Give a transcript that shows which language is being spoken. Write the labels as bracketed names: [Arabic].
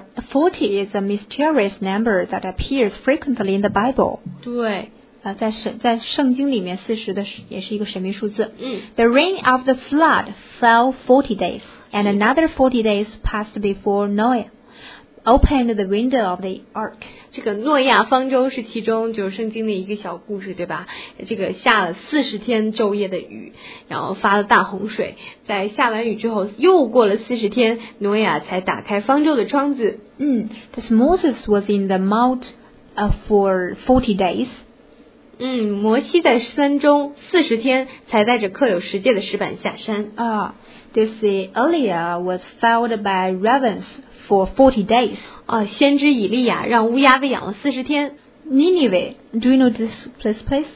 [English] 40 is a mysterious number that appears frequently in the Bible. [Chinese] 对，在圣经里面40的也是一个神秘数字。嗯 [English] ，The rain of the flood fell 40 days, and another 40 days passed before Noah. Opened the window of the ark. [Chinese] 这个诺亚方舟是其中就是圣经的一个小故事，对吧？这个下了40天昼夜的雨，然后发了大洪水。在下完雨之后，又过了40天，诺亚才打开方舟的窗子。 [English] 嗯 ，Thus Moses was in the mount for 40 days. [Chinese] 嗯，摩西在山中40天才带着刻有十诫的石板下山。 [English] 啊、This Elijah was felled by ravens. For 40 days. [Chinese] 啊，先知以利亚让乌鸦被养了40天。 [English] Nineveh, do you know this place?